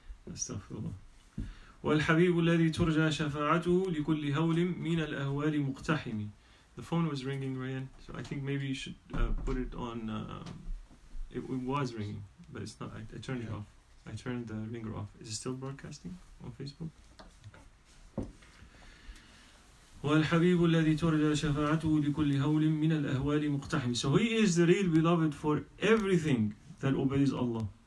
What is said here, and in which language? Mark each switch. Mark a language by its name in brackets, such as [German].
[Arabic] Astaghfirullah. وَالْحَبِيبُ الَّذِي تُرْجَى شَفَاعَتُهُ لِكُلِّ هَوْلٍ مِّنَ الْأَهْوَالِ مُقْتَحِمِ. [English] The phone was ringing, Ryan. So I think maybe you should put it on. It was ringing, but it's not. I turned it off. I turned the ringer off. Is it still broadcasting on Facebook? [Arabic] والحبيب الذي ترجى شفاعته لكل هول من الأهوال مقتحم. [English] So he is the real beloved for everything that obeys Allah.